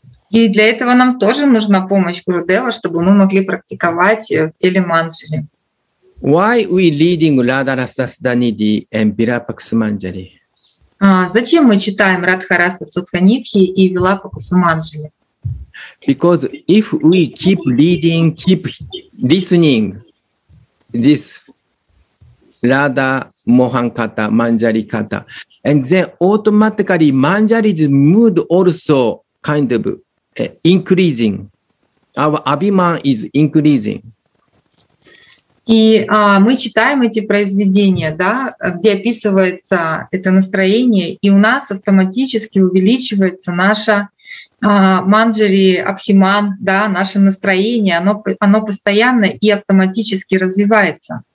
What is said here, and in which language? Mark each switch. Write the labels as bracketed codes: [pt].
[ru] И для этого нам тоже нужна помощь Гурудева, чтобы мы могли практиковать в теле Манджари. [en] Why we reading Radharasasdanidhi and Virapaksumanjali? [ru] Зачем мы читаем Радхарасасатханидхи и Вилапакусуманджали? [en] Because if we keep reading, keep listening this Radha Mohan Katha, Manjari Katha, and then automatically Manjari's mood also kind of increasing. Our Abhiman is increasing. [ru] И мы читаем эти произведения, да, где описывается это настроение, и у нас автоматически увеличивается наша манджари, абхиман, да, наше настроение, оно постоянно и автоматически развивается.